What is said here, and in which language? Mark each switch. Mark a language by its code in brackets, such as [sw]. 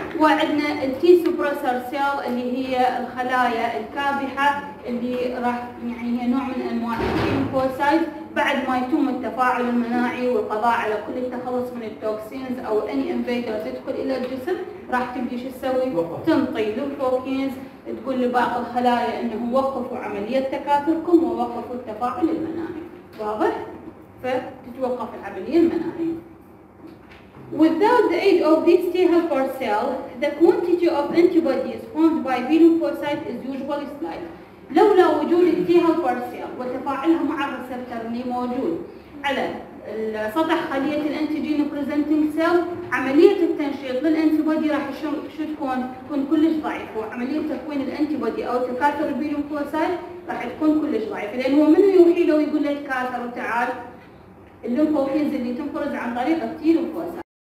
[ar] وعندنا التي سوبرسر سيل اللي هي الخلايا الكابحه اللي راح يعني هي نوع من انواع التي لمفوسايت بعد ما يتم التفاعل المناعي والقضاء على كل التخلص من التوكسينز او اني انفيدر تدخل الى الجسم، راح تبدي شو تسوي؟ تنطي للبروتينز تقول لباقي الخلايا انه وقفوا عمليه تكاثركم ووقفوا التفاعل المناعي. واضح؟ فتتوقف العمليه المناعيه. [en] Without the aid of these T helper cells, the quantity of antibodies formed by B lymphocytes is usually slight. [ar] لولا وجود T helper cells وتفاعلها مع الريسبتور اللي موجود على سطح خلية الانتيجين presenting cell، عملية التنشيط للانتيبودي راح شو تكون؟ تكون كلش ضعيفة، وعملية تكوين الانتيبودي أو تكاثر البي لمفوسايت راح تكون كلش ضعيفة، لأن هو منو يوحي له ويقول له تكاثر وتعال؟ اللمفوكينز اللي تنفرز عن طريق التي لمفوسايت.